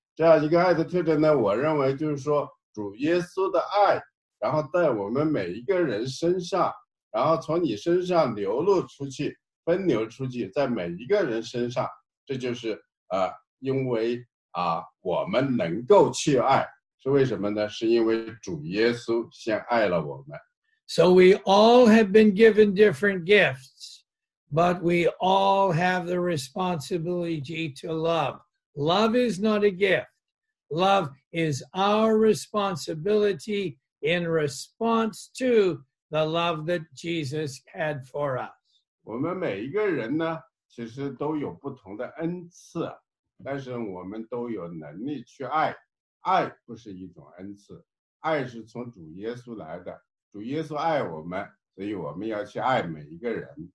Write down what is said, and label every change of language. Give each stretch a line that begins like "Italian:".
Chinese: 这样一个爱的特征呢，我认为就是说主耶稣的爱，然后在我们每一个人身上，然后从你身上流露出去，分流出去，在每一个人身上，这就是因为我们能够去爱，是为什么呢？是因为主耶稣先爱了我们。
English: So we all have been given different gifts, but we all have the responsibility to love. Love is not a gift. Love is our responsibility in response to the love that Jesus had for us.
Chinese: 我们每一个人呢，其实都有不同的恩赐，但是我们都有能力去爱。爱不是一种恩赐，爱是从主耶稣来的。主耶稣爱我们，所以我们要去爱每一个人。